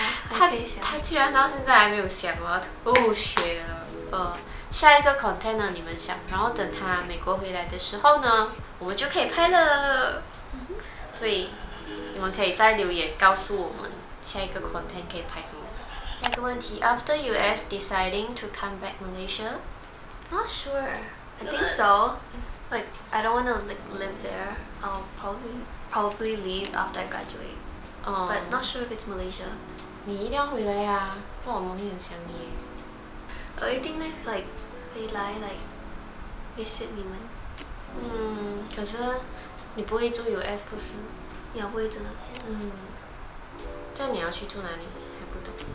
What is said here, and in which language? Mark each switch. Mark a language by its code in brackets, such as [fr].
[zh] 他居然到现在还没有想，我要吐血了。下一个 content 呢？你们想，然后等他美国回来的时候呢，我们就可以拍了。对，你们可以再留言告诉我们下一个 content 可以拍什么。那个问题 [en] ，After US deciding to come back Malaysia? Not sure. I think so. Like I don't want to live there. I'll probably leave after I graduate. But not sure if it's Malaysia. [zh] 你一定要回来呀、啊！不然我们会很想你。我一定会 like 回来 like visit 你们。可是你不会住 US 不是？也不会住那边。这样你要去住哪里？还不懂。